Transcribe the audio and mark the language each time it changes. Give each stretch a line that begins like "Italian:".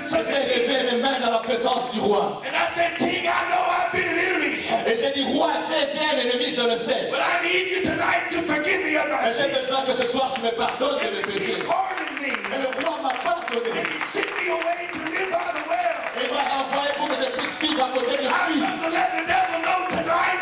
French: J'ai levé mes mains dans la présence du roi.
English: And I said, King, I know I've been an enemy.
French: Et j'ai dit, roi, j'ai été un ennemi, je le sais.
English: But I need you tonight to forgive me of my sins.
French: Et j'ai besoin que ce soir tu me pardonnes de mes péchés.
English: He pardoned me.
French: Et le roi m'a pardonné.
English: And he sent me away to live by the well.
French: Et m'a envoyé pour que je puisse vivre à côté de lui.
English: I'm going to let the devil know tonight.